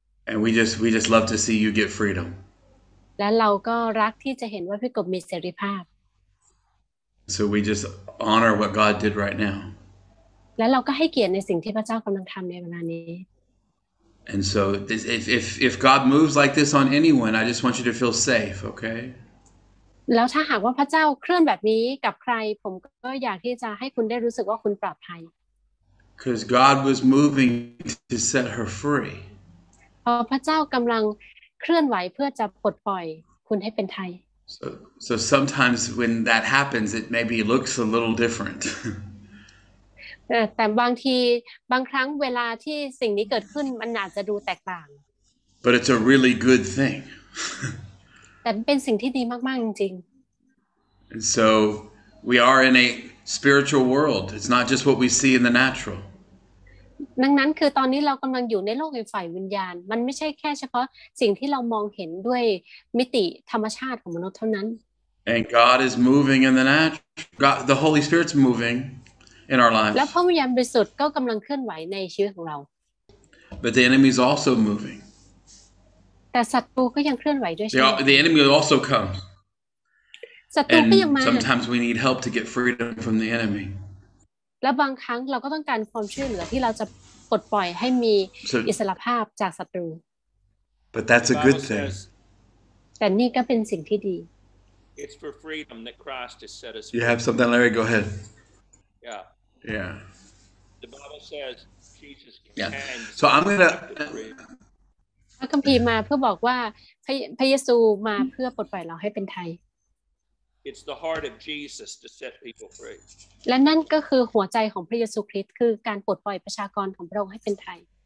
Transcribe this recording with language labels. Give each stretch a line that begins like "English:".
English: and we just love to see you get freedom
Thai: และเราก็รักที่จะเห็นว่าพี่กบมีเสรีภาพ
English: so we just honor what God did right now
Thai: และเราก็ให้เกียรติในสิ่งที่พระเจ้ากำลังทำในเวลานี้
English: and so this, if God moves like this on anyone I just want you to feel safe okay
Thai: แล้วถ้าหากว่าพระเจ้าเคลื่อนแบบนี้กับใครผมก็อยากที่จะให้คุณได้รู้สึกว่าคุณปลอดภัย
English: Because God was moving to set her free.
Thai: พระเจ้ากำลังเคลื่อนไหวเพื่อจะปลดปล่อยคุณให้เป็นไทย
English: So sometimes when that happens, it maybe looks a little different.
Thai: แต่บางครั้งเวลาที่สิ่งนี้เกิดขึ้นมันอาจจะดูแตกต่าง
English: But it's a really good thing.
Thai: แต่เป็นสิ่งที่ดีมากๆจริง
English: And so we are in a... spiritual world it's not just what we see in the natural
Thai: ดังนั้นคือตอนนี้เรากําลังอยู่ในโลกแห่งฝ่ายวิญญาณมันไม่ใช่แค่เฉพาะสิ่งที่เรามองเห็นด้วยมิติธรรมชาติของมนุษย์เท่านั้น
English: and god is moving in the natural god the holy spirit's moving in our lives
Thai: และพระวิญญาณบริสุทธิ์ก็กําลังเคลื่อนไหวในชีวิตของเรา
English: but the enemy is also moving
Thai: แต่ศัตรูก็ยังเคลื่อนไหวด้วยเช่ นกัน
English: the enemy also comesAnd sometimes we need help to get freedom from the enemy.
Thai: และบางครั้งเราก็ต้องการความช่วยเหลือที่เราจะปลดปล่อยให้มีอิสรภาพจากศัตรู
English: But that's a good thing.
Thai: แต่นี่ก็เป็นสิ่งที่ดี
English: It's for freedom that Christ has set us free. You have something, Larry? Go ahead. Yeah. Yeah. The Bible says Jesus can. Yeah. So I'm gonna.
Thai: พระคัมภีร์มาเพื่อบอกว่าพระเยซูมาเพื่อปลดปล่อยเราให้เป็นไทย
English: It's the heart of Jesus to set people free.
Thai: และนั่นก็คือหัวใจของพระเยซูคริสต์คือการปลดปล่อยประชากรของพระองค์ให้เป็นไทย